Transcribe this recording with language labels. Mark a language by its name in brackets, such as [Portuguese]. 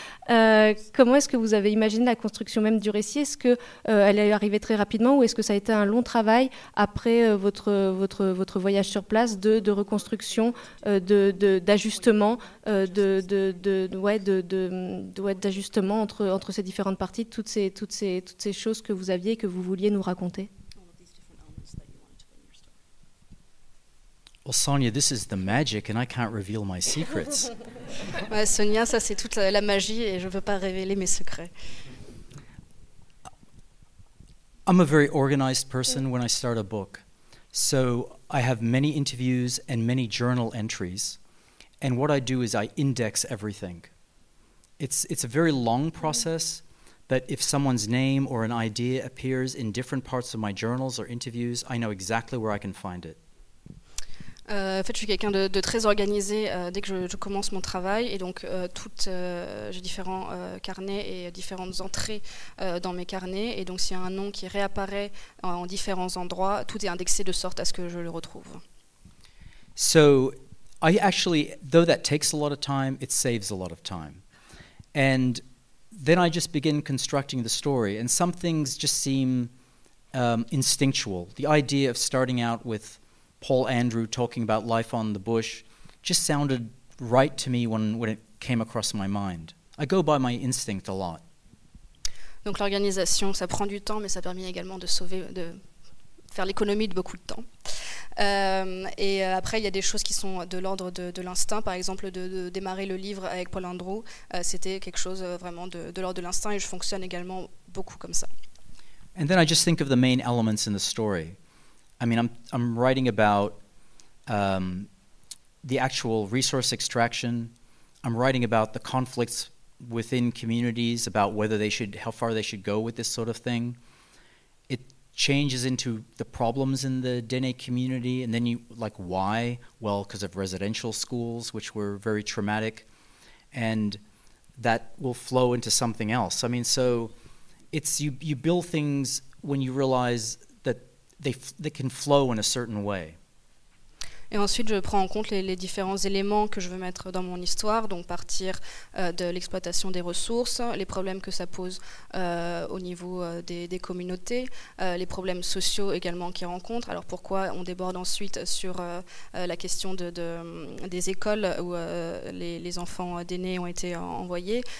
[French] Comment est-ce que vous avez imaginé la construction même du récit? Est-ce que elle est arrivée très rapidement, ou est-ce que ça a été un long travail après votre voyage sur place de reconstruction, d'ajustement, d'ajustement entre ces différentes parties, toutes ces choses que vous aviez et que vous vouliez nous raconter? [English] Well, Sonia, this is the magic, and I can't reveal my secrets. [French] Sonia, ça c'est toute la magie, et je ne veux pas révéler mes secrets. [English] I'm a very organized person when I start a book, so I have many interviews and many journal entries, and what I do is I index everything. It's a very long process, but if someone's name or an idea appears in different parts of my journals or interviews, I know exactly where I can find it. [French] En fait, je suis quelqu'un de très organisé dès que je commence mon travail, et donc j'ai différents carnets et différentes entrées dans mes carnets, et donc s'il y a un nom qui réapparaît en différents endroits, tout est indexé de sorte à ce que je le retrouve. [English] So, I actually, though that takes a lot of time, it saves a lot of time. And then I just begin constructing the story, and some things just seem instinctual. The idea of starting out with Paul Andrew talking about life on the bush just sounded right to me when it came across my mind. I go by my instinct a lot. [French] Donc l'organisation, ça prend du temps, mais ça permet également de faire l'économie de beaucoup de temps. Et après, il y a des choses qui sont de l'ordre de l'instinct. Par exemple, de démarrer le livre avec Paul Andrew, c'était quelque chose vraiment de l'ordre de l'instinct, et je fonctionne également beaucoup comme ça. [English] And then I just think of the main elements in the story. I mean, I'm writing about the actual resource extraction. I'm writing about the conflicts within communities, about whether they should, how far they should go with this sort of thing. It changes into the problems in the Dene community, and then you, like, why? Well, because of residential schools, which were very traumatic, and that will flow into something else. I mean, so it's you build things when you realize that they can flow in a certain way. [French] Et ensuite, je prends en compte les différents éléments que je veux mettre dans mon histoire, donc partir de l'exploitation des ressources, les problèmes que ça pose au niveau des communautés, les problèmes sociaux également qu'ils rencontrent. Alors pourquoi on déborde ensuite sur la question des écoles où les enfants d'aînés ont été envoyés.